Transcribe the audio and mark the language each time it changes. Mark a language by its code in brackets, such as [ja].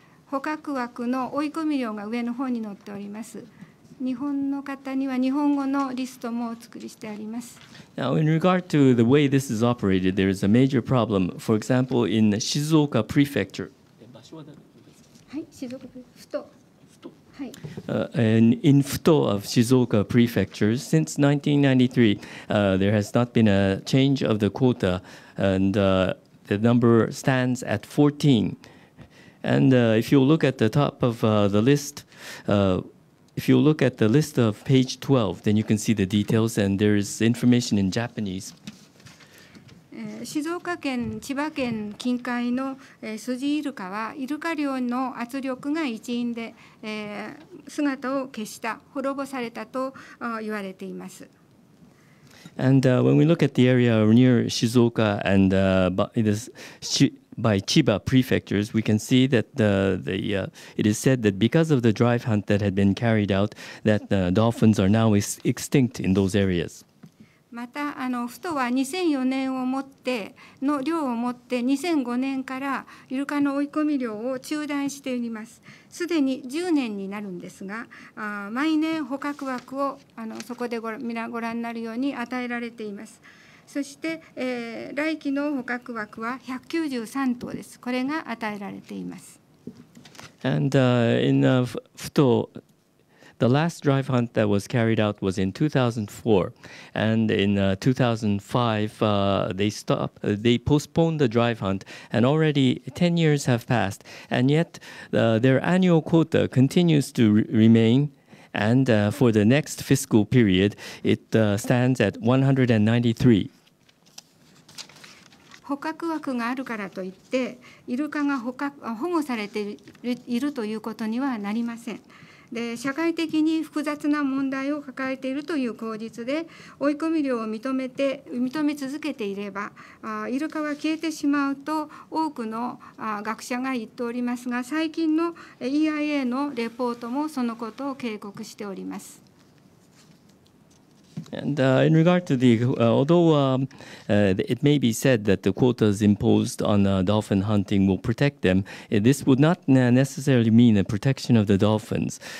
[ja] 捕獲枠の追い込み量が上の方に載っております。日本の方には日本語のリストもお作りしてあります。 [en] Now, in regard to the way this is operated, there is a major problem. For example, in Shizuoka Prefecture. はい、Shizuoka Prefecture. In Futo of Shizuoka Prefecture, since 1993, there has not been a change of the quota, and the number stands at 14. And if you look at the top of the list,If you look at the list of page 12, then you can see the details, and there is information in Japanese. [ja] 静岡県、千葉県近海のスジイルカは、イルカ漁の圧力が一因で姿を消した、滅ぼされたと言われています。 [en] And when we look at the area near Shizuoka and by Chiba prefectures, we can see that it is said that because of the drive hunt that had been carried out, that dolphins are now extinct in those areas. [ja] またふとは2004年をもっての漁をもって2005年からイルカの追い込み漁を中断しております。すでに10年になるんですが、毎年捕獲枠をそこで ご覧になるように与えられています。そして、来期の捕獲枠は193頭です。これが与えられています。 [en] And in Futo, the last drive hunt that was carried out was in 2004, and in 2005 they postponed the drive hunt, and already 10 years have passed, and yet their annual quota continues to remain. And for the next fiscal period, it stands at 193. [ja] 捕獲枠があるからといって、イルカが保護されているということにはなりません。で、社会的に複雑な問題を抱えているという口実で、追い込み漁を認め続けていれば、イルカは消えてしまうと多くの学者が言っておりますが、最近の EIA のレポートもそのことを警告しております。 [en] And in regard to the, although it may be said that the quotas imposed on dolphin hunting will protect them, this would not necessarily mean a protection of the dolphins.